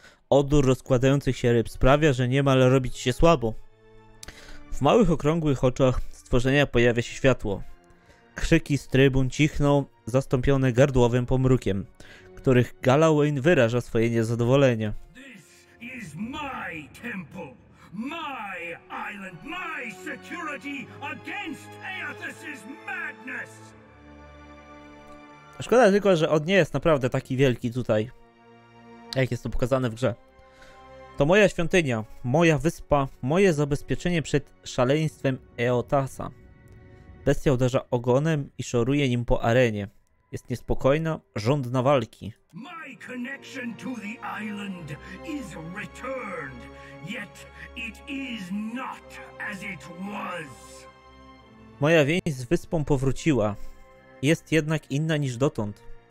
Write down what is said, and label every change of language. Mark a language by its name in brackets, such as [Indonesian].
[Polish] Odór rozkładających się ryb sprawia, że niemal robi ci się słabo. W małych, okrągłych oczach stworzenia pojawia się światło. Krzyki z trybun cichną, zastąpione gardłowym pomrukiem, których Galloway wyraża swoje niezadowolenie. [English] This is my temple, my island, my security against Aethys's madness! [Polish] Szkoda tylko, że on nie jest naprawdę taki wielki tutaj, jak jest to pokazane w grze. To moja świątynia, moja wyspa, moje zabezpieczenie przed szaleństwem Eotasa. Bestia uderza ogonem i szoruje nim po arenie. Jest niespokojna, żądna walki. [English] My connection to the island is returned, yet it is not as it was. [Polish] Moja więź z wyspą powróciła. Jest jednak inna niż dotąd.